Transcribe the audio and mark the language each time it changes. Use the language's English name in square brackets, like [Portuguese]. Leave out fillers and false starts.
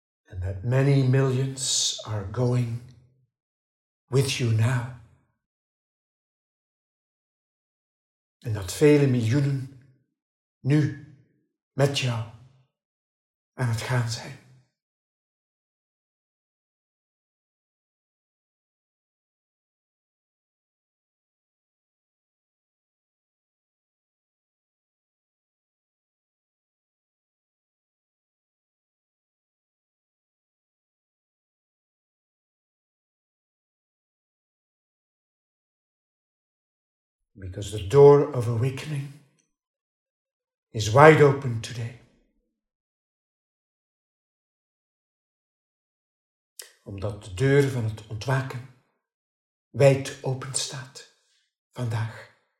[English] And that many millions are going with you now. [Dutch] En dat vele miljoenen nu met jou aan het gaan zijn. [English] Because the door of awakening is wide open today. [Dutch] Omdat de deur van het ontwaken wijd open staat vandaag.